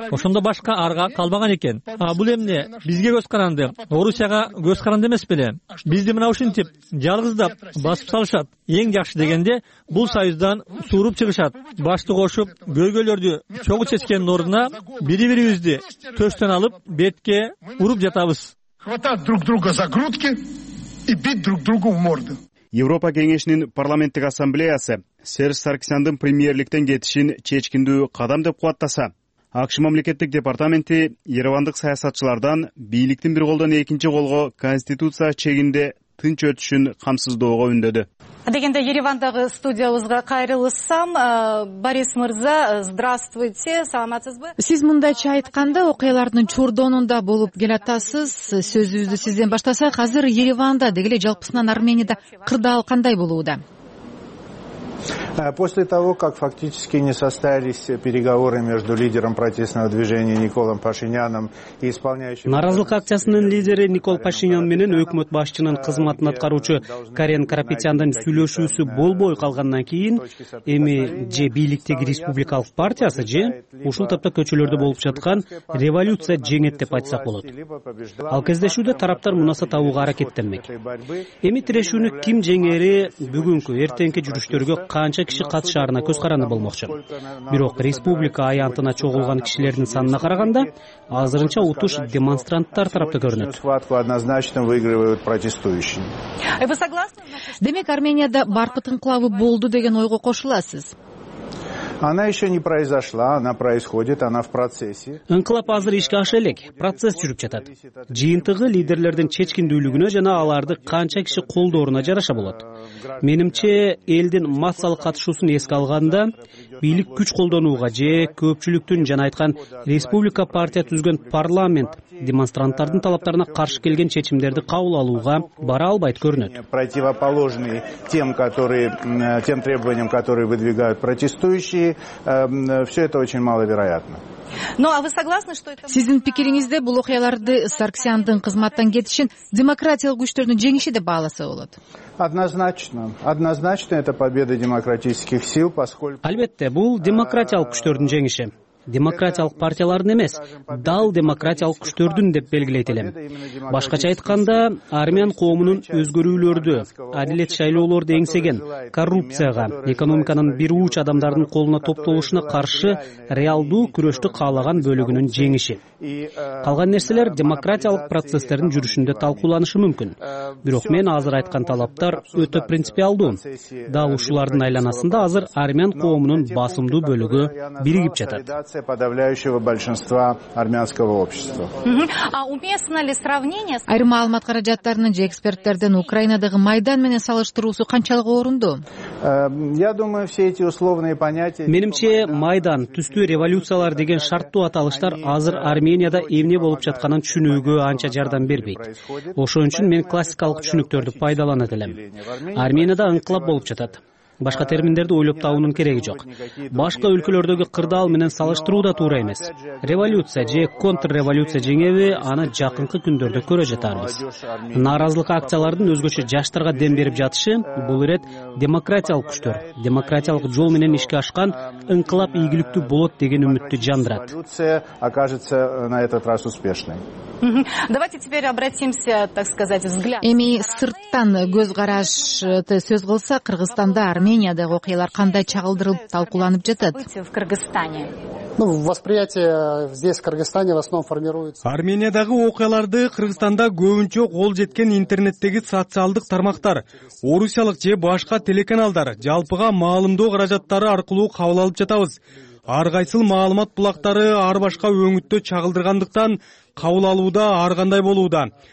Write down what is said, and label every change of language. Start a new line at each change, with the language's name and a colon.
Kyrgyz: Ошондо башка арга калбаган экен. А бул эмне? Бизге көз каранды. Орусияга көз каранды эмес беле? Бизди мына ушинтип жалгыздап басып салышат. Эң жакшы дегенде бул союздан сууруп чыгышат. Башты кошуп көйгөйлөрдү чогу чечкендин ордуна бири бирибизди төштөн алып бетке уруп жатабыз.
Russian: Хватать друг друга за грудки и бить друг друга в морду.
Kyrgyz: Европа кеңешинин парламенттик ассамблеясы Серж Саргсяндын премьерликтен кетишин чечкиндүү кадам деп кубаттаса, АКШ мамлекеттик департаменти еревандык саясатчылардан бийликтин бир колдон экинчи колго конституция чегинде тынч өтүшүн камсыздоого үндөдү. Дегенде еревандагы студиябызга кайрылсам, Борис мырза,
Russian: здравствуйте,
Kyrgyz: саламатсызбы? Сиз мындайча айтканда окуялардын чурдонунда болуп келатасыз. Сөзүбүздү сизден баштасак, азыр Ереванда деги эле жалпысынан Арменияда кырдаал кандай болууда?
Russian: После того, как фактически не состоялись переговоры между лидером протестного движения Николом Пашиняном и исполняющим...
Kyrgyz: Наразылык акциясынын лидери Никол Пашинян менен өкмөт башчынын кызматын аткаруучу Карен Карапетяндын сүйлөшүүсү болбой калгандан кийин, эми же бийликтеги республикалык партиясы же ушул тапта көчөлөрдө болуп жаткан революция жеңет деп айтсак болот. Ал кездешүүдө тараптар мунасат алууга аракеттенмек. Эми тирешүүнү ким жеңери бүгүнкү эртеңки жүрүштөргө канча киши катышаарына көз караны болмокчу. Бирок республика аянтына чогулган кишилердин санына караганда азырынча утуш демонстранттар тарапта көрүнөт.
Russian: Однозначно выигрывают протестующие. А вы согласны?
Kyrgyz: Демек Арменияда баркыт инкылабы болду деген ойго кошуласыз?
Russian: Она еще не произошла, она происходит, она в процессе.
Kyrgyz: Инкылап азыр ишке аша элек, процесс жүрүп жатат. Жыйынтыгы лидерлердин чечкиндүүлүгүнө жана аларды канча киши колдоруна жараша болот. Менимче, элдин массалык катышуусун эске алганда, бийлик күч колдонууга же көпчүлүктүн жана айткан республика партия түзгөн парламент демонстранттардын талаптарына каршы келген чечимдерди кабыл алууга бара албайт көрүнөт.
Russian: Противоположные тем, которые тем требованиям, которые выдвигают протестующие, все это очень маловероятно. Ну, а вы согласны, что это...
Kyrgyz: Сиздин пикириңизде бул окуяларды Сарксяндын кызматтан кетишин демократиялык күчтөрдүн жеңиши деп бааласа болот?
Russian: Однозначно. Однозначно это победа демократических сил, поскольку...
Kyrgyz: Албетте, бул демократиялык күчтөрдүн жеңиши. Демократиялык партиялардын эмес, дал демократиялык күчтөрдүн деп белгилейт элем. Башкача айтканда, армян коомунун өзгөрүүлөрдү, адилет шайлоолорду эңсеген, коррупцияга, экономиканын бир ууч адамдардын колуна топтолушуна каршы реалдуу күрөштү каалаган бөлүгүнүн жеңиши. Калган нерселер демократиялык процесстердин жүрүшүндө талкууланышы мүмкүн. Бирок мен азыр айткан талаптар өтө принципиалдуу. Дал ушулардын айланасында азыр армян коомунун басымдуу бөлүгү биригип жатат.
Russian: Подавляющего большинства армянского общества. А уместно ли сравнение?
Kyrgyz: Айрым маалымат каражаттарынын же эксперттердин Украинадагы майдан менен салыштыруусу канчалык орунду?
Russian: Я думаю, все эти условные понятия.
Kyrgyz: Менимче, майдан, түстүү революциялар деген шарттуу аталыштар азыр Арменияда эмне болуп жатканын түшүнүүгө анча жардам бербейт. Ошон үчүн мен классикалык түшүнүктөрдү пайдаланат элем. Арменияда инкылап болуп жатат. Башка терминдерди ойлоп табуунун кереги жок. Башка өлкөлөрдөгү кырдаал менен салыштыруу да туура эмес. Революция же контрреволюция жеңеби, аны жакынкы күндөрдө көрө жатарбыз. Нааразылык акциялардын өзгөчө жаштарга дем берип жатышы, бул ирет демократиялык күчтөр, демократиялык жол менен ишке ашкан инкылап ийгиликтүү болот деген үмүттү жандырат.
Russian: Окажется на этот раз успешной. Давайте теперь обратимся, так сказать, взгляд.
Kyrgyz: Эми сырттан көз карашты сөз кылсак, Кыргызстанда, Арменияда окуялар кандай чагылдырылып, талкууланып жатат?
Russian: В Кыргызстане. Ну, восприятие здесь, в Кыргызстане, в основном формируется.
Kyrgyz: Армениядагы окуяларды Кыргызстанда көбүнчө кол жеткен интернеттеги социалдык тармактар, орусиялык же башка телеканалдар жалпыга маалымдоо каражаттары аркылуу кабыл алып жатабыз. Ар кайсыл маалымат булактары ар башка өңүттө чагылдыргандыктан кабыл алууда ар кандай болууда.